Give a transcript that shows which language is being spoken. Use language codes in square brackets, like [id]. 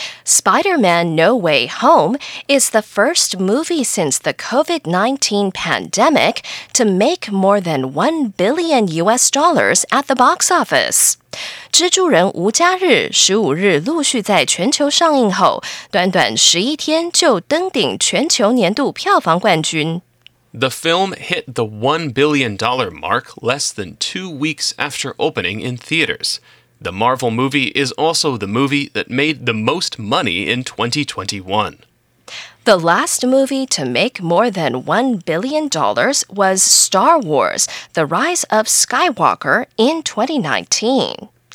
[en] Spider-Man No Way Home is the first movie since the COVID-19 pandemic to make more than $1 billion at the box office. [zh] 蜘蛛人无家日15日陆续在全球上映后，短短11天就登顶全球年度票房冠军。 [en] The film hit the $1 billion mark less than 2 weeks after opening in theaters. The Marvel movie is also the movie that made the most money in 2021. The last movie to make more than $1 billion was Star Wars: The Rise of Skywalker in 2019.